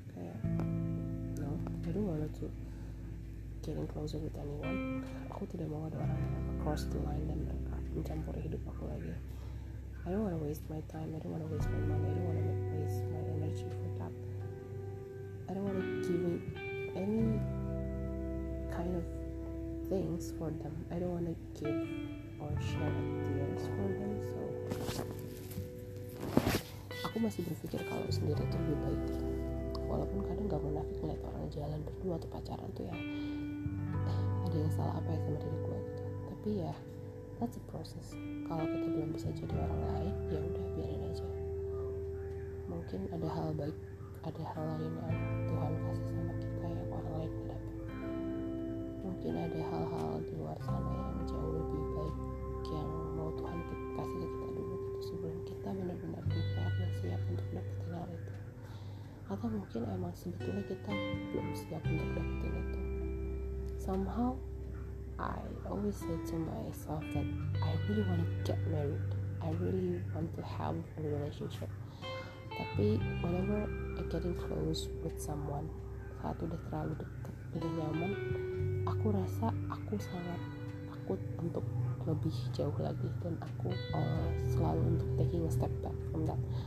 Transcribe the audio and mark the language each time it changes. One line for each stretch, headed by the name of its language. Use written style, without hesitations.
English: Kayak, no, I don't want to getting closer with anyone.
Indonesian: Aku tidak mau ada orang yang
English: cross the line
Indonesian: dan mencampuri hidup aku lagi.
English: I don't want to waste my time, I don't want to waste my money, I don't want to waste my energy for that. I don't want to give any kind of things for them. I don't want to give or share ideas for them, so...
Indonesian: Aku masih berpikir kalau sendiri itu lebih baik. Walaupun kadang gak munafik ngeliat orang jalan berdua atau pacaran tuh ya... ada yang salah apa ya sama diri gue gitu. Tapi ya...
English: that's a process.
Indonesian: Kalau kita belum bisa jadi orang lain, ya udah biarin aja. Mungkin ada hal baik, ada hal lain yang Tuhan kasih sama kita yang orang lain tidak dapat. Mungkin ada hal-hal di luar sana yang jauh lebih baik yang mau Tuhan kasih ke kita dulu gitu, sebelum kita benar-benar prepare dan siap untuk dapetin hal itu. Atau mungkin emang sebetulnya kita belum siap untuk dapetin itu.
English: Somehow I always say to myself that I really want to get married. I really want to have a relationship.
Indonesian: Tapi
English: whenever I getting close with someone,
Indonesian: saat udah terlalu dekat, udah nyaman, aku rasa aku sangat takut untuk lebih jauh lagi, dan aku selalu untuk
English: taking a step back from that.